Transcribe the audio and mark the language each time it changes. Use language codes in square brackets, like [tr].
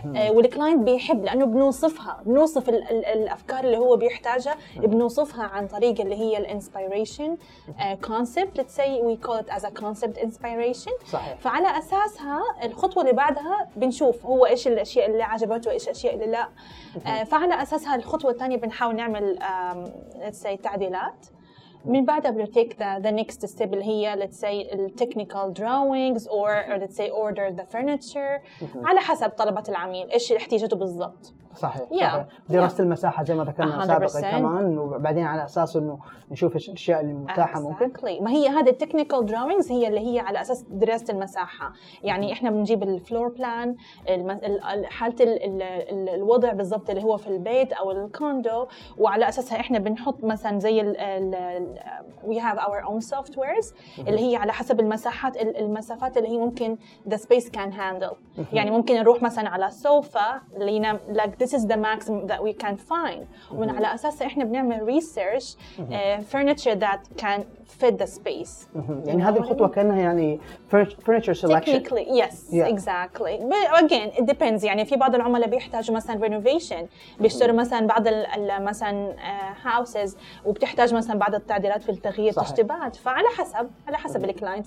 [ar] والكلاينت بيحب لأنه بنوصفها, بنوصف الأفكار اللي هو بيحتاجها, بنوصفها عن طريق اللي هي الانسبيريشن concept [en] let's say we call it as a concept inspiration. [ar] صحيح. فعلى أساسها الخطوة اللي بعدها بنشوف هو إيش الأشياء اللي عجبته وإيش الأشياء اللي لا. فعلى أساسها الخطوة الثانية بنحاول نعمل let's say تعديلات. من بعدها بنو [en] take the next step اللي هي let's say technical drawings or let's say order the furniture [ar] على حسب طلبة العميل إيش احتياجته بالضبط. صحيح. [en] Yeah. [ar] دراسة المساحة زي ما ذكرنا سابقا كمان, وبعدين على أساس إنه نشوف إيش الأشياء المتاحة. [en] Exactly. [ar] ممكن ما هي هذا technical drawings هي اللي هي على أساس دراسة المساحة, يعني إحنا بنجيب الفلور بلان حالة الوضع بالضبط اللي هو في البيت أو الكوندو, وعلى أساسها إحنا بنحط مثلا زي [en] we have our own softwares [ar] اللي هي على حسب المساحات المسافات اللي هي ممكن [en] the space can handle. [ar] يعني ممكن نروح مثلا على السوفا اللي ينام [en] like this is the maximum that we can find. [ar] ومن على أساس إحنا بنعمل [en] research furniture that can fit the space. [ar] يعني هذه الخطوة كأنها يعني furniture selection. [en] Technically yes. Yeah. Exactly. But again it depends, [ar] يعني في بعض العملاء بيحتاجوا مثلا renovation, بيشتروا مثلا بعض مثلا houses وبتحتاج مثلا بعض التعديلات في التغيير تشطيبات, فعلى حسب الكلاينت.